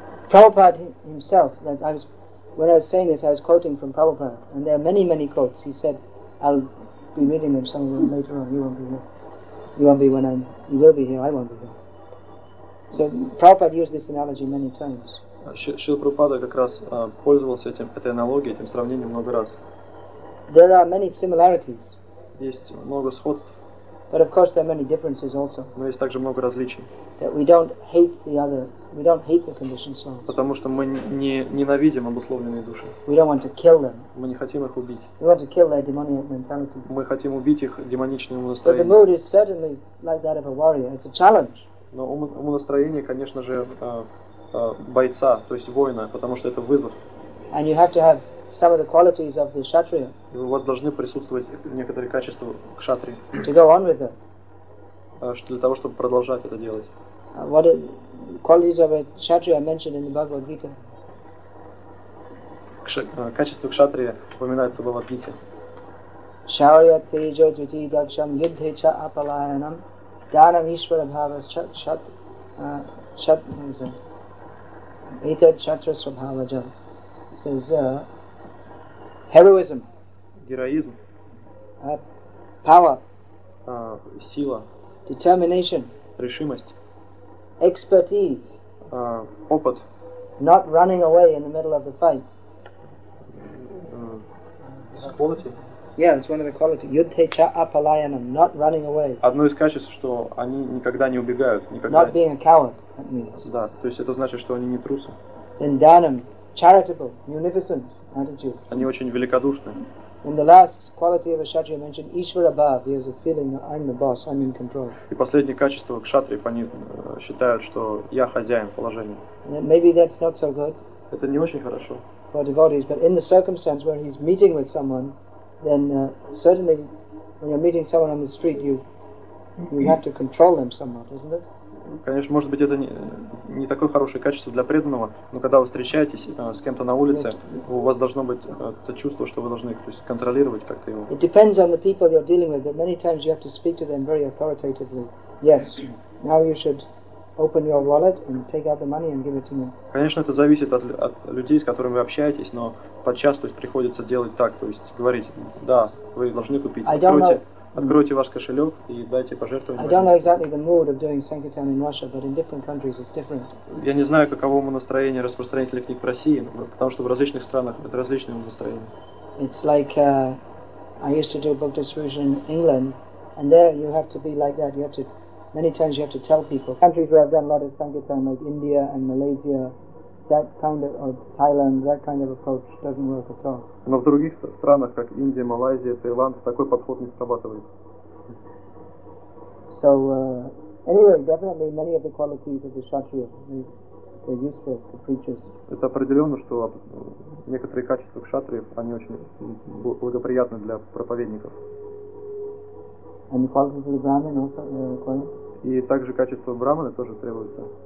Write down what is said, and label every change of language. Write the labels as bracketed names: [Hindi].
[English] Prabhupada himself, that I was. When I was saying this, I was quoting from Prabhupada, and there are many, many quotes. He said, I'll be meeting him some of them later on, you won't be here. You will be here, I won't be here. So Prabhupada used this analogy many times. [Russian] Шрила Прабхупада как раз пользовался этим, этой аналогией, этим сравнением много раз. [English] There are many similarities. [Russian] Есть много сходств. [English] But of course, there are many differences also. [Russian] Но есть также много различий. [English] That we don't hate the other, we don't hate the conditioned souls. [Russian] Потому что мы не ненавидим обусловленные души. [English] We don't want to kill them. [Russian] Мы не хотим их убить. [English] We want to kill their demonic mentality. [Russian] Мы хотим убить их демоничное настроение. [English] But the mood is certainly like that of a warrior. It's a challenge. [Russian] Но ум настроение, конечно же, бойца, то есть воина, потому что это вызов. [English] And you have to have some of the qualities of the kshatriya. [Russian] И у вас должны присутствовать некоторые качества кшатрии. [English] To go on with it. [Russian] Для того, чтобы продолжать это делать. [English] What qualities of a kshatriya are mentioned in the Bhagavad Gita? [Russian] Качества кшатрии упоминаются в Бхагавад Гите. [Sanskrit] Шаурья тейджо двити дакшам юдхе ча апалаянам данам ишвара бхавас чат Ita Chatra Swabhavaja [English] says heroism, [Russian] героизм, [English] power, [Russian] сила, [English] determination, [Russian] решимость, [English] expertise, [Russian] опыт, [English] not running away in the middle of the fight. Quality. Yeah, it's one of the qualities. [Sanskrit] Yudhe cha apalayanam, [English] not running away. [Russian] Одно из качеств, что они никогда не убегают, никогда. [English] Not being a coward. [Russian] Да, то есть это значит, что они не трусы. [English] In Dhanam, charitable, munificent attitude. [Russian] Они очень великодушны. [English] In the last quality of a kshatriya mentioned, Ishvara Bhav, he has a feeling that I'm the boss, I'm in control. [Russian] И последнее качество кшатриев, они считают, что я хозяин положения. [English] Maybe that's not so good. [Russian] Это не очень хорошо. [English] For devotees, but in the circumstance where he's meeting with someone, then certainly when you're meeting someone on the street, you have to control them somewhat, isn't it? [Russian] Конечно, может быть, это не такое хорошее качество для преданного, но когда вы встречаетесь с кем-то на улице, у вас должно быть это чувство, что вы должны их, то есть, контролировать как-то его. [English] It depends on the people you're dealing with, but many times you have to speak to them very authoritatively. Yes, now you should open your wallet and take out the money and give it to me. [Russian] Конечно, это зависит от людей, с которыми вы общаетесь, но подчас, то есть, приходится делать так, то есть говорить, да, вы должны купить, откройте ваш кошелек и дайте пожертвование. [English] I don't know exactly the mood of doing sankirtan in Russia, but in different countries it's different. [Russian] Я не знаю, каково ему настроение распространителей книг в России, потому что в различных странах это различное настроение. [English] It's like I used to do book distribution in England, and there you have to be like that. You have to many times you have to tell people. Countries where I've done a lot of sankirtan, like India and Malaysia, that kind of or Thailand, that kind of approach doesn't work at all. [Russian] Но в других странах, как Индия, Малайзия, Таиланд, такой подход не срабатывает. [English] So, anyway, definitely many of the qualities of the kshatriya are useful to preachers. [Russian] Это определенно, что некоторые качества кшатриев, они очень благоприятны для проповедников. [English] And the qualities of the brahmin also required? [Russian] И также качество брахмана тоже требуется.